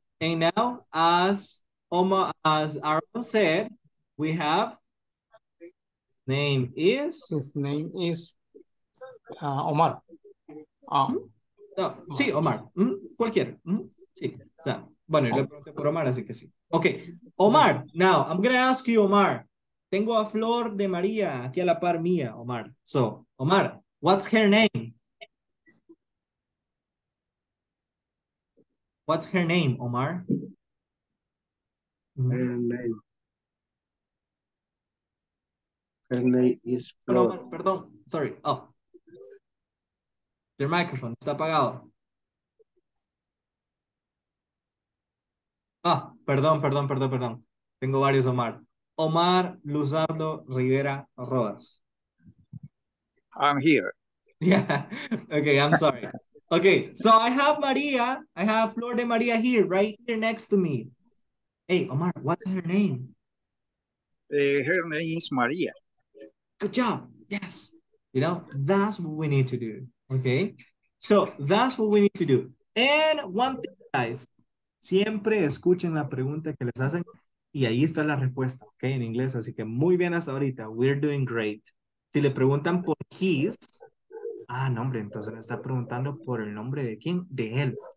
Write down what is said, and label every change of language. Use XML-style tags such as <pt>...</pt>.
<en>And now, as Omar, as Aaron said, we have name is? His name is Omar.</en> <es>Sí, Omar. Mm-hmm. Cualquier. Mm-hmm. Sí. Bueno, yo le pregunté por Omar, así que sí.</es> <en>Ok, Omar, now, I'm going to ask you, Omar.</en> <es>Tengo a Flor de María aquí a la par mía, Omar.</es> <en>So, Omar, what's her name? What's her name, Omar? Her name is Flor. Omar,</en> <es>perdón,</es> <en>sorry. Oh. Your microphone</en> <es>está apagado. Ah, perdón. Tengo varios Omar. Omar Luzardo Rivera Rodas.</es> <en>I'm here. Yeah, okay, I'm sorry. Okay, so I have Maria. I have Flor de Maria here, right here next to me. Hey, Omar, what's her name? Her name is Maria. Good job, yes. You know, that's what we need to do, okay? So that's what we need to do. And one thing, guys.</en> <es>Siempre escuchen la pregunta que les hacen y ahí está la respuesta, ok, en inglés. Así que muy bien hasta ahorita.</es> <en>We're doing great.</en> <es>Si le preguntan por his, ah, no, hombre, entonces me está preguntando por el nombre de quién, de él.</es>